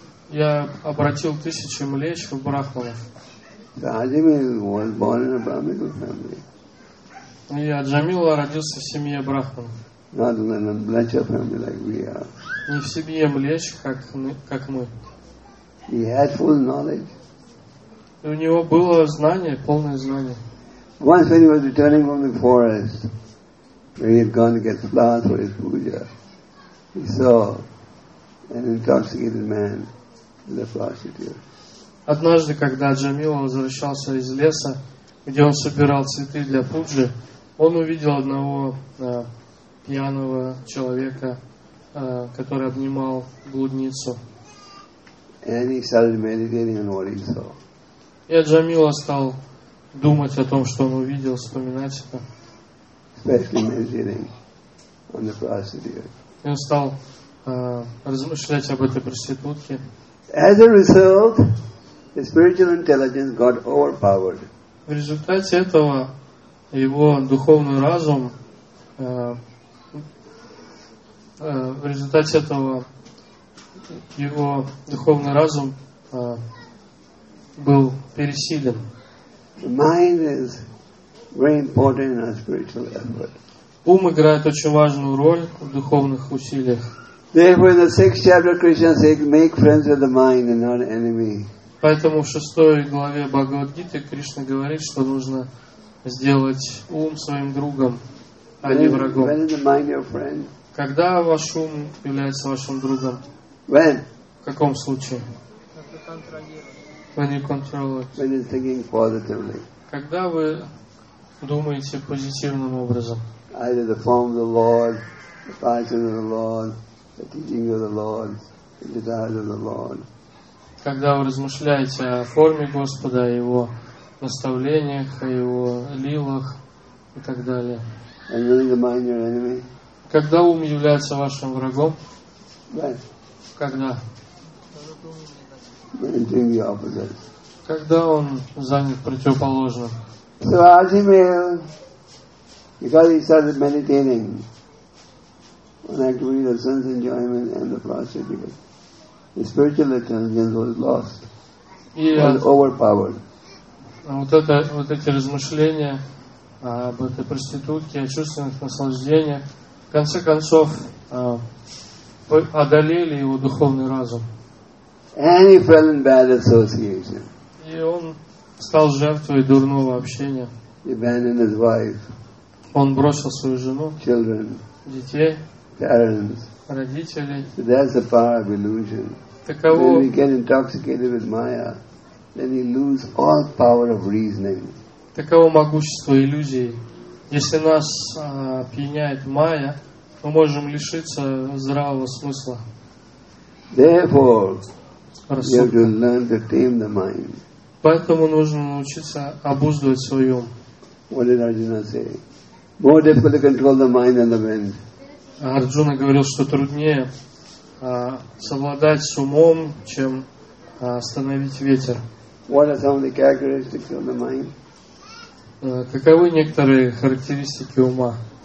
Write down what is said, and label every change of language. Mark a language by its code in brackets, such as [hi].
[ru] Я обратил тысячи млечь в брахманов. И Аджамила родился в семье брахманов. Не в семье млечь, как мы. [en] He had full knowledge. [ru] И у него было знание, полное знание. [en] Once when he was returning from the forest, where he had gone to get flowers for his puja, he saw an intoxicated man in the prostitute. [ru] Однажды, когда Аджамила возвращался из леса, где он собирал цветы для пуджи, он увидел одного пьяного человека, который обнимал блудницу. [en] And he started meditating on what he saw. [ru] Я Джамила стал думать о том, что он увидел, вспоминать это. И он стал размышлять об этой проститутке. [en] As a result, the spiritual intelligence got overpowered. [ru] В результате этого его духовный разум был пересилен. [en] The mind is very important in our spiritual effort. [ru] Ум играет очень важную роль в духовных усилиях. [en] Therefore, in the sixth chapter, Krishna says, "Make friends with the mind and not enemy." [ru] Поэтому в шестой главе Бхагавад-гиты Кришна говорит, что нужно сделать ум своим другом, а не врагом. [en] When is the mind your friend? [ru] Когда ваш ум является вашим другом? [en] When? [ru] В каком случае? [en] When you control it. When you're thinking positively. [ru] Когда вы думаете позитивным образом? [en] Either the form of the Lord, the passion of the Lord, the teaching of the Lord, the desire of the Lord. [ru] Когда вы размышляете о форме Господа, о Его наставлениях, о Его лилах и так далее. [en] And really the mind your enemy? [ru] Когда ум является вашим врагом? [en] Right. [ru] Когда? [en] When you're doing the opposite. [ru] Когда он занят противоположным? [en] So Ajimil, because he started meditating on activity of sense enjoyment and the prostitute, his spiritual intelligence was lost, was overpowered. [ru] Вот эти размышления об этой проститутке, о чувственных наслаждениях, в конце концов, одолели его духовный разум. [en] And he fell in bad association. [ru] И он стал жертвой дурного общения. [en] He abandoned his wife. [ru] Он бросил свою жену. [en] Children. [ru] Детей. [en] Parents. [ru] Родителей. [en] So that's the power of illusion. [ru] Таково. [en] When we get intoxicated with Maya, then we lose all power of reasoning. [ru] Таково могущество иллюзии. Если нас опьяняет Майя, мы можем лишиться здравого смысла. [en] Therefore. You have to learn to tame the mind. [ru] Поэтому нужно научиться обуздывать свой ум. [en] What did Arjuna say? More difficult to control the mind than the wind. [ru] Арджуна говорил, что труднее совладать с умом, чем остановить ветер. [en] What are some of the characteristics of the mind? [ru] Каковы некоторые характеристики ума?